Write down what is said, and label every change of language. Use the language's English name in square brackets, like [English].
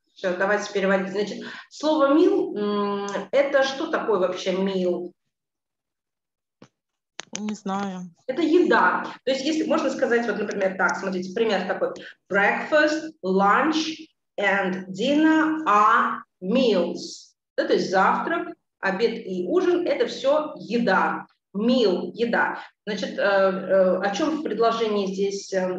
[Russian] Все, давайте переводить. Значит, слово meal, это что такое вообще meal? Не знаю. Это еда. То есть, если можно сказать, вот, например, так, смотрите, пример такой. [English] Breakfast, lunch and dinner are meals. [Russian] Да, то есть завтрак, обед и ужин – это все еда. Meal – еда. Значит, о чем в предложении здесь